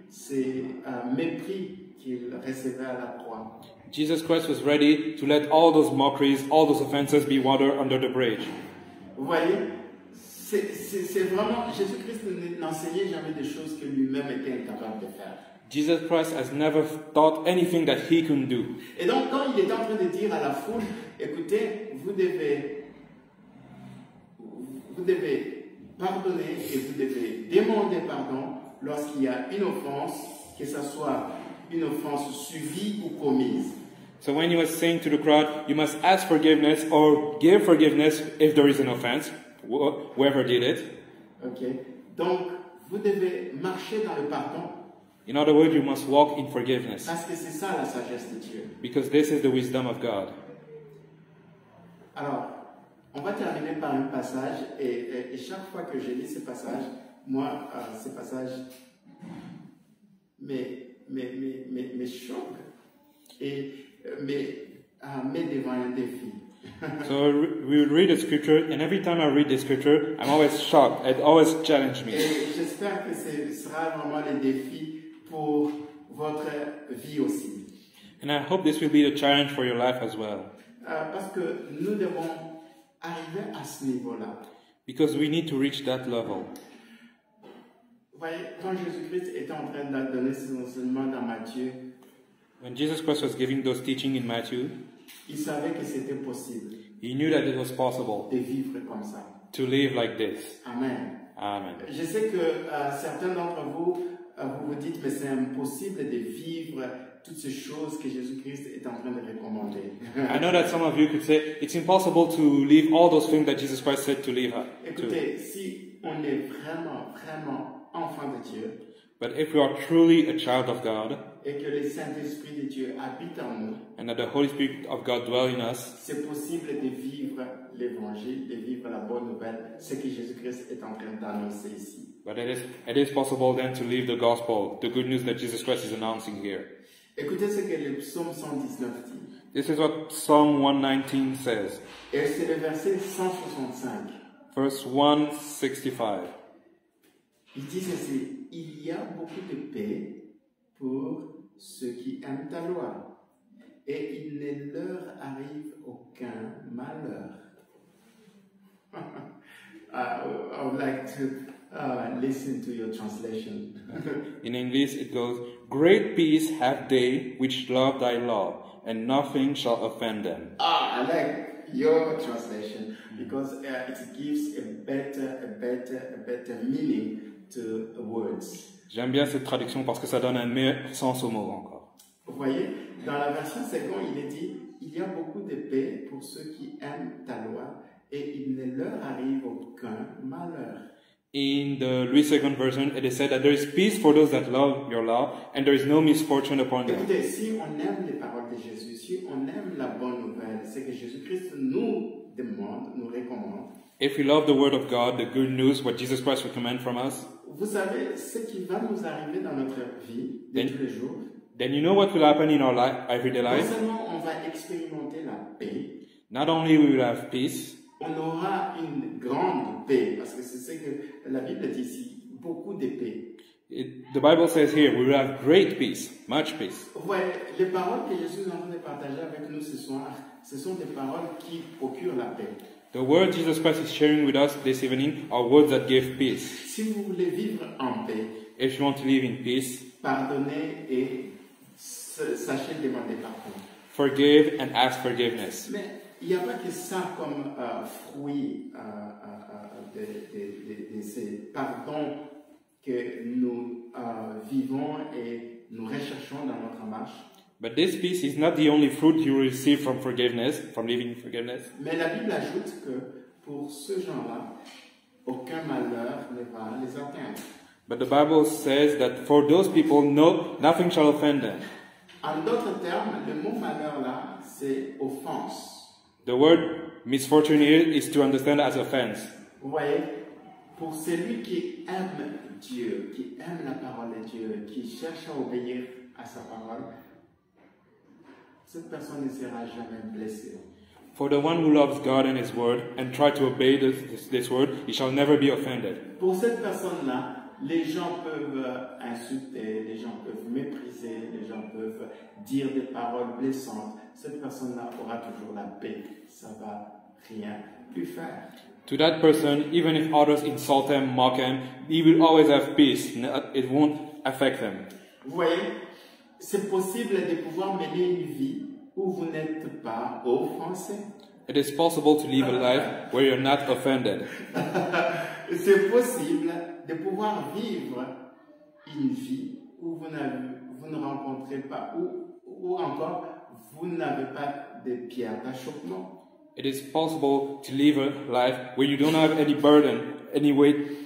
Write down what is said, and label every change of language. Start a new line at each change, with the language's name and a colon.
French: C'est un mépris qu'il recevait à la croix.
English: Jesus Christ was ready to let all those mockeries, all those offenses be watered under the bridge.
French: Vous voyez, c'est vraiment, Jésus-Christ n'enseignait jamais des choses que lui-même était incapable de faire.
English: Jesus Christ has never taught anything that he couldn't do.
French: Et donc, quand il est en train de dire à la foule, écoutez, vous devez pardonner et vous devez demander pardon, lorsqu'il y a une offense, que ce soit une offense subie ou commise.
English: So when he was saying to the crowd, you must ask forgiveness or give forgiveness if there is an offense, whoever did it.
French: Okay. Donc, vous devez marcher dans le pardon.
English: In other words, you must walk in forgiveness.
French: Parce que c'est ça la sagesse de Dieu.
English: Because this is the wisdom of God.
French: Alors, on va terminer par un passage et chaque fois que je lis ce passage, moi, ce passage me choque et met devant un défi.
English: So we will read the scripture, and every time I read the scripture, I'm always shocked. It always challenges me.
French: Et j'espère que ce sera vraiment le défi pour votre vie aussi.
English: And I hope this will be the challenge for your life as well.
French: Parce que nous devons arriver à ce niveau-là.
English: Because we need to reach that level.
French: Quand Jésus-Christ était en train de donner ses enseignements dans Matthieu,
English: when Jesus Christ was giving those teachings in Matthew,
French: il savait que c'était possible.
English: He knew that it was possible
French: de vivre comme ça.
English: To live like this.
French: Amen.
English: Amen.
French: Je sais que certains d'entre vous, vous vous dites, mais c'est impossible de vivre toutes ces choses que Jésus-Christ est en train de recommander.
English: I know that some of you could say it's impossible to live all those things that Jesus Christ said to live.
French: Écoutez, si on est vraiment enfant de Dieu,
English: but if we are truly a child of God,
French: et que le Saint-Esprit de Dieu habite en nous,
English: and that the Holy Spirit of God dwells in us,
French: c'est possible de vivre l'évangile, de vivre la bonne nouvelle, ce que Jésus-Christ est en train d'annoncer ici.
English: But it is possible then to live the gospel, the good news that Jesus Christ is announcing here.
French: Écoutez ce que le psaume 119 dit.
English: This is what Psalm 119 says.
French: Et c'est le verset 165.
English: Verse 165.
French: Il dit ceci. Il y a beaucoup de paix pour ceux qui aiment ta loi, et il ne leur arrive aucun malheur.
English: I would like to listen to your translation. In English, it goes, great peace have they which love thy law, and nothing shall offend them. Ah, I like your translation because it gives a better meaning to words.
French: J'aime bien cette traduction parce que ça donne un meilleur sens aux mots encore. Vous voyez, dans la version seconde, il est dit, il y a beaucoup de paix pour ceux qui aiment ta loi et il ne leur arrive aucun malheur.
English: In the Louis II version, it is said that there is peace for those that love your law and there is no misfortune upon them.
French: Écoutez, si on aime les paroles de Jésus, si on aime la bonne nouvelle, c'est que Jésus-Christ nous demande, nous recommande.
English: If we love the word of God, the good news, what Jesus Christ recommends from us,
French: vous savez ce qui va nous arriver dans notre vie de tous les jours.
English: Then you know what will happen in our life, everyday life.
French: Non seulement on va expérimenter la paix.
English: Not only we will have peace.
French: On aura une grande paix, parce que c'est ce que la Bible dit ici, beaucoup de paix.
English: The Bible says here, we will have great peace, much peace.
French: Ouais, les paroles que Jésus est en train de partager avec nous ce soir, ce sont des paroles qui procurent la paix.
English: The word Jesus Christ is sharing with us this evening are words that give peace.
French: Si vous voulez vivre en paix,
English: if you want to live in peace,
French: pardonnez et sachez demander pardon.
English: Forgive and ask forgiveness.
French: Mais il n'y a pas que ça comme fruit de ces pardons que nous vivons et nous recherchons dans notre marche.
English: But this peace is not the only fruit you receive from forgiveness, from living in forgiveness.
French: Mais la Bible ajoute que pour ce genre-là, aucun malheur ne va les atteindre.
English: But the Bible says that for those people, no, nothing shall offend them.
French: En d'autres termes, le mot malheur là, c'est offense.
English: The word misfortune here is to understand as offense.
French: Vous voyez, pour celui qui aime Dieu, qui aime la parole de Dieu, qui cherche à obéir à sa parole, cette personne ne sera jamais blessée.
English: For the one who loves God and His Word and tries to obey this Word, he shall never be offended.
French: Pour cette personne-là, les gens peuvent insulter, les gens peuvent mépriser, les gens peuvent dire des paroles blessantes. Cette personne-là aura toujours la paix. Ça va rien lui faire.
English: To that person, even if others insult him, mock him, he will always have peace. It won't affect him.
French: Vous voyez? C'est possible de pouvoir mener une vie où vous n'êtes pas offensé.
English: It is possible to live a life where you're not offended.
French: C'est possible de pouvoir vivre une vie où vous ne rencontrez pas ou encore vous n'avez pas de pierre d'achoppement.
English: It is possible to live a life where you don't have any burden, any weight.